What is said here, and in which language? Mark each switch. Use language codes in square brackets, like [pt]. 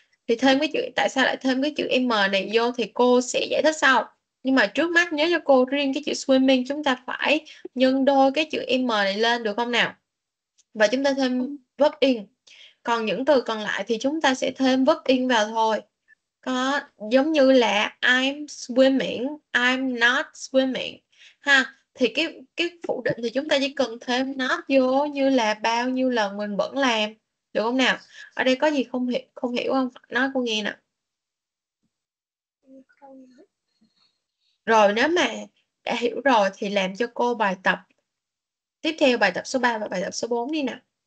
[vi] Thì thêm cái chữ, tại sao lại thêm cái chữ m này vô thì cô sẽ giải thích sau. Nhưng mà trước mắt nhớ cho cô riêng cái chữ swimming chúng ta phải nhân đôi cái chữ m này lên được không nào? Và chúng ta thêm verb in. Còn những từ còn lại thì chúng ta sẽ thêm verb in vào thôi. Có giống như là [en] I'm swimming, I'm not swimming [vi] ha. Thì cái phủ định thì chúng ta chỉ cần thêm not vô như là bao nhiêu lần mình vẫn làm. Được không nào? Ở đây có gì không hiểu không? Nói cô nghe nè. Rồi nếu mà đã hiểu rồi thì làm cho cô bài tập tiếp theo, bài tập số 3 và bài tập số 4 đi nè.